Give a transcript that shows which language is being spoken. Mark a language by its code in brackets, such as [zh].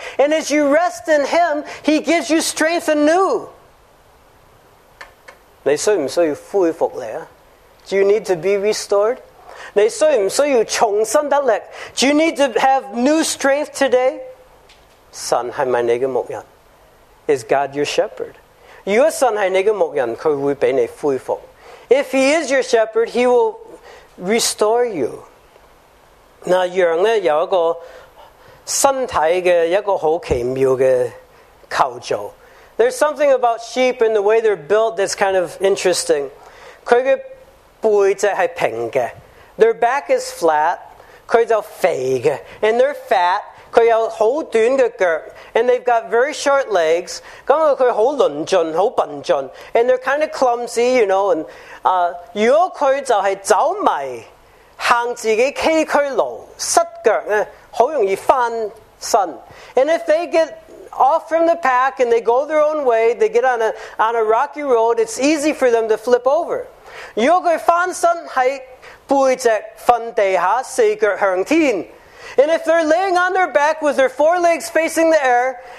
[en] And as you rest in him, he gives you strength anew. [zh] 你需不需要恢复呢? [en] Do you need to be restored? [zh] 你需不需要重新得力? [en] Do you need to have new strength today? [zh] 神是你的牧人. [en] Is God your shepherd? [zh] 如果神是你的牧人, 祂会给你恢复. [en] If he is your shepherd, he will restore you. [zh] 那羊呢, 有一个身体的, 一个很奇妙的构造. [en] There's something about sheep and the way they're built that's kind of interesting. [zh] 祂的背脊是平的. [en] Their back is flat. [zh] 祂就肥的. [en] And they're fat. [zh] 它有很短的腳, [en] and they've got very short legs. [zh] 它很輪盡, 很笨盡, [en] and they're kind of clumsy, you know. And [zh] 如果它就是走迷, 行自己崎嶇路, 失腳呢, 很容易翻身. [en] And if they get off from the pack and they go their own way, they get on a rocky road, it's easy for them to flip over. [zh] 如果它翻身是背脊瞓地下, 四腳向天, [en] and if they're laying on their back with their four legs facing the air,